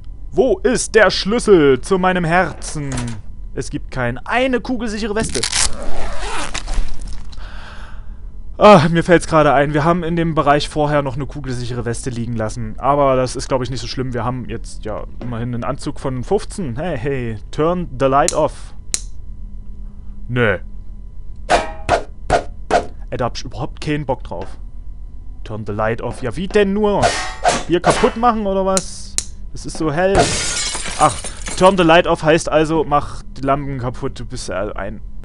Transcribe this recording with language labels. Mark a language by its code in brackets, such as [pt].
[de] Wo ist der Schlüssel zu meinem Herzen? Es gibt keine eine kugelsichere Weste. Ah, mir fällt es gerade ein. Wir haben in dem Bereich vorher noch eine kugelsichere Weste liegen lassen. Aber das ist, glaube ich, nicht so schlimm. Wir haben jetzt ja immerhin einen Anzug von 15. [en] Hey, hey, turn the light off. [de] Nö. Ey, da hab ich überhaupt keinen Bock drauf. [en] Turn the light off. [de] Ja, wie denn nur? Hier kaputt machen oder was? Es ist so hell. Ach, [en] turn the light off [de] heißt also, mach die Lampen kaputt. Du bist ein...